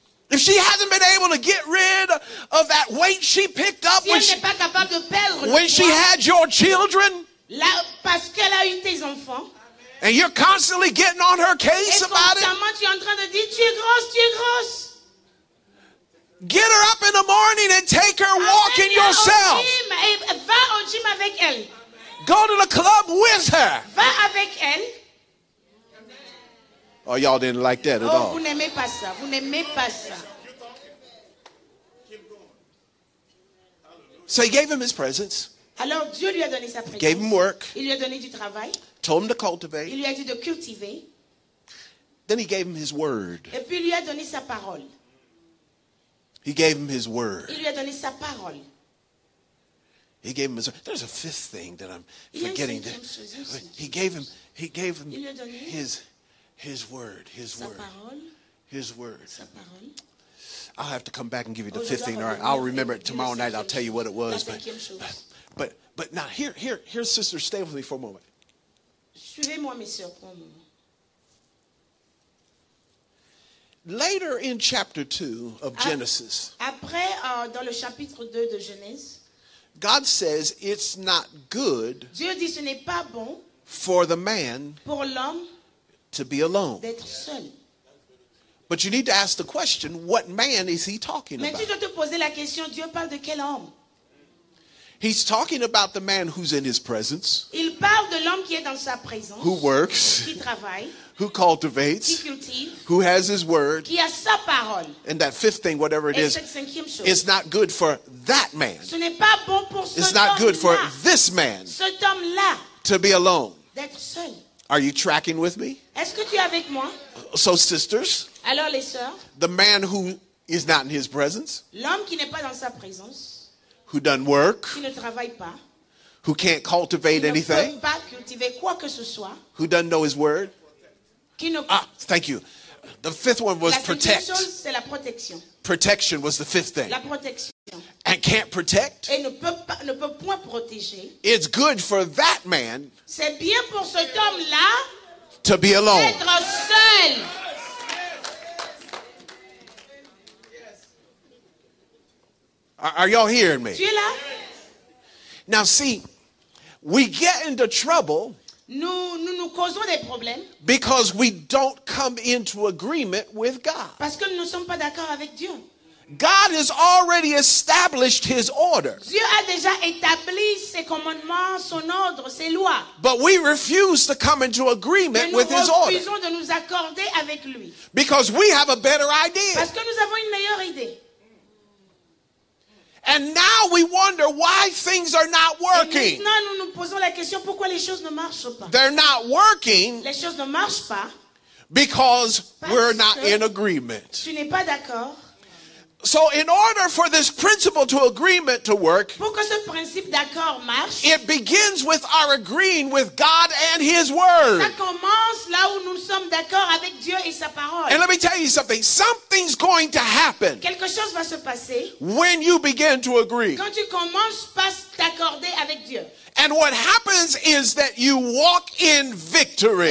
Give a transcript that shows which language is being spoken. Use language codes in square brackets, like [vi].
[en] If she hasn't been able to get rid of that weight she picked up when she had your children, [fr] là, parce qu'elle a eu tes enfants, [en] and you're constantly getting on her case about it, [fr] tu es en train de dire, tu es grosse, tu es grosse. [en] Get her up in the morning and take her walking yourself. [fr] Va au gym avec elle. [en] Go to the club with her. [fr] Va avec elle. [en] Oh, y'all didn't like that at all. [fr] Vous n'aimez pas ça. Vous n'aimez pas ça. [en] So he gave him his presence. [fr] Alors Dieu lui a donné sa présence. [en] Gave him work. [fr] Il lui a donné du travail. [en] Told him to cultivate. [fr] Il lui a dit de cultiver. [en] Then he gave him his word. [fr] Et puis il lui a donné sa parole. [en] He gave him his word. [fr] Il lui a donné sa parole. [en] He gave him his. There's a fifth thing that I'm forgetting. [fr] Chose, [en] he gave him. He gave him his. His word, his word, his word. I'll have to come back and give you the fifth thing. All right, I'll remember it tomorrow night. I'll tell you what it was. But now here, sister, stay with me for a moment. [fr] Suivez-moi, mes sœurs, pour un moment. [en] Later in chapter 2 of Genesis. [fr] Après, dans le chapitre 2 de Genèse. [en] God says it's not good. [fr] Dieu dit ce n'est pas bon. [en] For the man. [fr] Pour l'homme. [en] To be alone. [fr] D'être seul. [en] But you need to ask the question, what man is he talking [fr] mais [en] about? [fr] Tu dois te poser la question, Dieu parle de quel homme? [en] He's talking about the man who's in his presence. [fr] Il parle de l'homme qui est dans sa présence, [en] who works. [fr] Qui travaille, [en] who cultivates. [fr] Qui cultive, [en] who has his word. [fr] Qui a sa parole. [en] And that fifth thing, whatever it [fr] et [en] is, [fr] cette cinquième chose, [en] is not good for that man. [fr] Ce n'est pas bon pour [en] it's not good for this man. [fr] Cet homme-là, [en] to be alone. [fr] D'être seul. [en] Are you tracking with me? [fr] Est-ce que tu es avec moi? [en] So sisters, [fr] alors les sœurs, [en] the man who is not in his presence, [fr] l'homme qui n'est pas dans sa présence, [en] who doesn't work, [fr] qui ne travaille pas, [en] who can't cultivate [fr] qui [en] anything, [fr] ne peut pas cultiver quoi que ce soit, [en] who doesn't know his word, [fr] qui ne... [en] Ah, thank you. The fifth one was protect. [fr] La chose, c'est la protection. [en] Protection was the fifth thing. [fr] La protection. [en] And can't protect. [fr] Et ne peut pas, ne peut point protéger. [en] It's good for that man. [fr] C'est bien pour cet homme-là. [en] To be alone. [fr] D'être seul. [en] Are y'all hearing me? [fr] Tu es là? [en] Now see, we get into trouble. [fr] Nous causons des problèmes. [en] Because we don't come into agreement with God. [fr] Parce que nous ne sommes pas d'accord avec Dieu. [en] God has already established his order. [fr] Dieu a déjà établi ses commandements, son ordre, ses lois. [en] But we refuse to come into agreement with his order. [fr] Nous refusons de nous accorder avec lui. [en] Because we have a better idea. [fr] Parce que nous avons une meilleure idée. [en] And now we wonder why things are not working. [fr] Et maintenant, nous nous posons la question, pourquoi les choses ne marchent pas? [en] They're not working. [fr] Les choses ne marchent pas. [en] Because we're not in agreement. [fr] Tu n'es pas d'accord. [en] So in order for this principle to agreement to work, [fr] pour que ce principe d'accord marche, [en] it begins with our agreeing with God and his word. [fr] Ça commence là où nous sommes d'accord avec Dieu et sa parole. [en] And let me tell you something. Something's going to happen. [fr] Quelque chose va se passer. [en] When you begin to agree. [fr] Quand tu commences pas t'accorder avec Dieu. [en] And what happens is that you walk in victory.